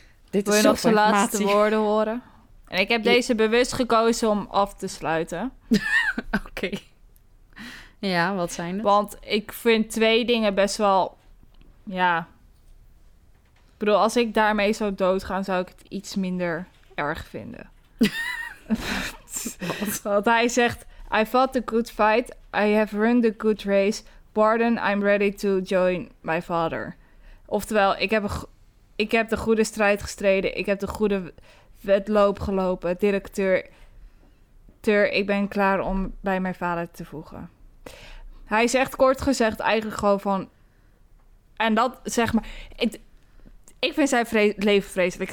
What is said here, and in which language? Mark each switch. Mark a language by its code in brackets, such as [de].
[nl] Dit wil je nog zijn laatste woorden horen? En ik heb deze bewust gekozen om af te sluiten. Oké. Ja, wat zijn het? Want ik vind twee dingen best wel... Ja. Ik bedoel, als ik daarmee zou doodgaan, zou ik het iets minder erg vinden. Want hij zegt, [en] I fought the good fight, I have run the good race, pardon, I'm ready to join my father. [nl] Oftewel, ik heb de goede strijd gestreden, ik heb de goede wedloop gelopen, directeur, ik ben klaar om bij mijn vader te voegen. Hij zegt kort gezegd eigenlijk gewoon van, en dat zeg maar, ik vind zijn leven vreselijk.